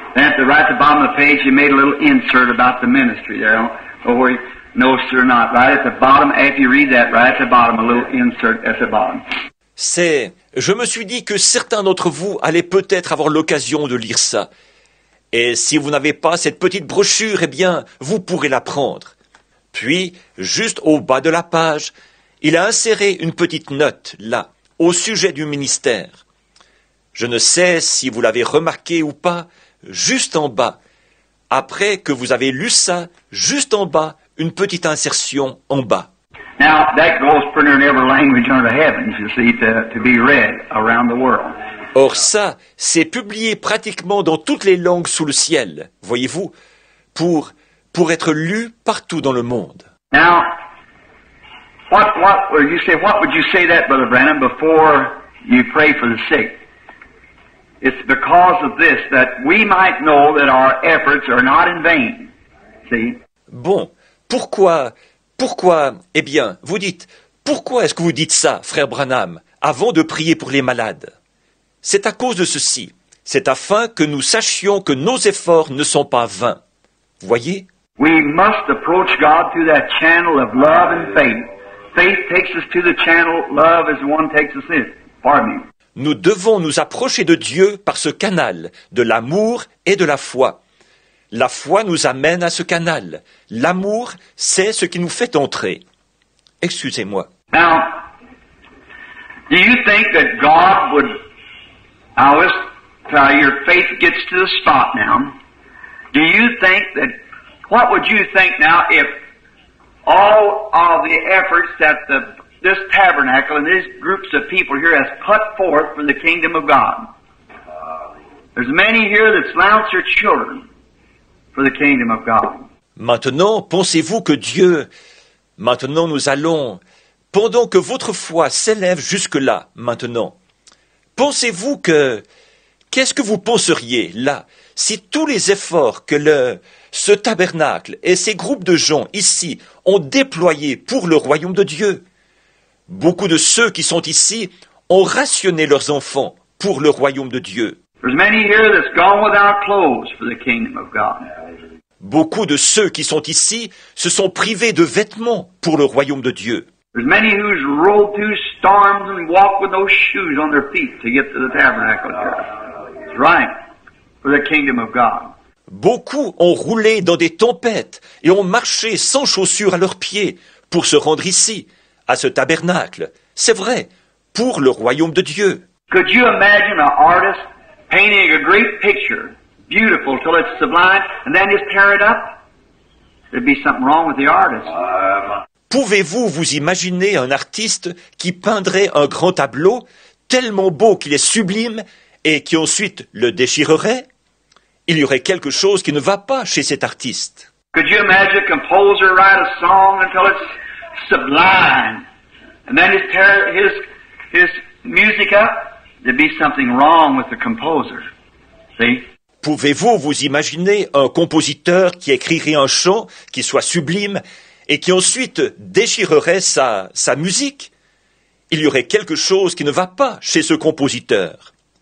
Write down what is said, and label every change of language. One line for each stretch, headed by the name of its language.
English: Then at the right at the bottom of the page, you made a little insert about the ministry there. Oh, where you know, sir, or not. Right at the bottom, if you read that, right at the bottom, a little insert at the bottom.
French: C'est « Je me suis dit que certains d'entre vous allaient peut-être avoir l'occasion de lire ça. Et si vous n'avez pas cette petite brochure, eh bien, vous pourrez la prendre. » Puis, juste au bas de la page, il a inséré une petite note, là, au sujet du ministère. Je ne sais si vous l'avez remarqué ou pas, juste en bas. Après que vous avez lu ça, juste en bas, une petite insertion en bas.
English: Now, that goes pretty near in every language under the heavens, you see, to be read around the world.
French: Or ça, c'est publié pratiquement dans toutes les langues sous le ciel, voyez-vous, pour être lu partout dans le monde.
English: Now, what would you say that, Brother Branham, before you pray for the sick? It's because of this that we might know that our efforts are not in vain. See?
French: Bon, pourquoi, eh bien, vous dites, pourquoi est-ce que vous dites ça, frère Branham, avant de prier pour les malades? C'est à cause de ceci. C'est afin que nous sachions que nos efforts ne sont pas vains. Vous voyez?
English: We must approach God through that channel of love and faith. Faith takes us to the channel, love is the one takes us in. Pardon me.
French: Nous devons nous approcher de Dieu par ce canal de l'amour et de la foi. La foi nous amène à ce canal. L'amour, c'est ce qui nous fait entrer. Excusez-moi.
English: Now, do you think that God would always, your faith gets to the spot now? Do you think that what would you think now if all of the efforts that this tabernacle and these groups of people here has put forth for the kingdom of God? There's many here that's lounged their children. For the kingdom of God.
French: Maintenant, pensez-vous que Dieu... Maintenant, nous allons... Pendant que votre foi s'élève jusque-là, maintenant, pensez-vous que... Qu'est-ce que vous penseriez, là, si tous les efforts que ce tabernacle et ces groupes de gens, ici, ont déployés pour le royaume de Dieu? Beaucoup de ceux qui sont ici ont rationné leurs enfants pour le royaume de Dieu.
English: There's many here that's gone without clothes for the kingdom of God.
French: Beaucoup de ceux qui sont ici se sont privés de vêtements pour le royaume de Dieu.
English: There's many who's rolled through storms and walked with no shoes on their feet to get to the tabernacle here. That's right, for the kingdom of God.
French: Beaucoup ont roulé dans des tempêtes et ont marché sans chaussures à leurs pieds pour se rendre ici, à ce tabernacle. C'est vrai, pour le royaume de Dieu.
English: Could you imagine an artist painting a great picture, beautiful, till it's sublime, and then just tear it up? There'd be something wrong with the artist.
French: Pouvez-vous vous imaginer un artiste qui peindrait un grand tableau tellement beau qu'il est sublime et qui ensuite le déchirerait? Il y aurait quelque chose qui ne va pas chez cet artiste.
English: Could you imagine a composer write a song until it's sublime, and then just tear his music up? There'd be something wrong with the composer. See?
French: Pouvez-vous vous imaginer un compositeur qui écrirait un chant qui soit sublime et qui ensuite déchirerait sa musique? Il y aurait quelque chose qui ne va pas chez ce compositeur.